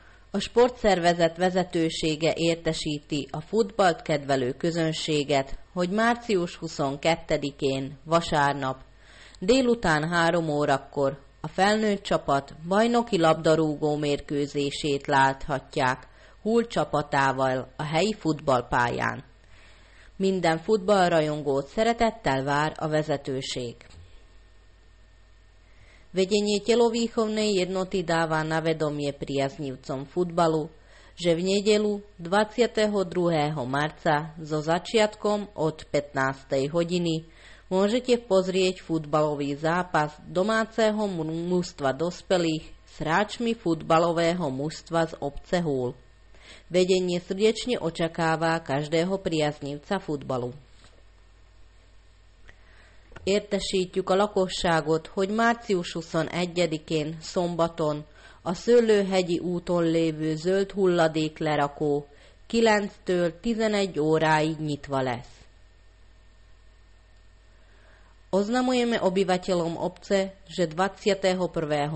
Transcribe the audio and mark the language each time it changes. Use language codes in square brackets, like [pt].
[hu] A sportszervezet vezetősége értesíti a futballt kedvelő közönséget, hogy március 22-én, vasárnap, délután 3 órakor a felnőtt csapat bajnoki labdarúgó mérkőzését láthatják Hull csapatával a helyi futballpályán. Minden futballrajongót szeretettel vár a vezetőség. [sk] Vedenie telovýchovnej jednoty dáva na vedomie priaznivcom futbalu, že v nedeľu 22. marca so začiatkom od 15. hodiny môžete pozrieť futbalový zápas domáceho mužstva dospelých s hráčmi futbalového mužstva z obce Hull. Vedenie srdečne očakáva každého priaznivca futbalu. [hu] Értesítjük a lakosságot, hogy március 21-én szombaton a Szőlőhegyi úton lévő zöld hulladék lerakó 9-től 11 óráig nyitva lesz. [sk] Oznamujeme obyvateľom obce, že 21.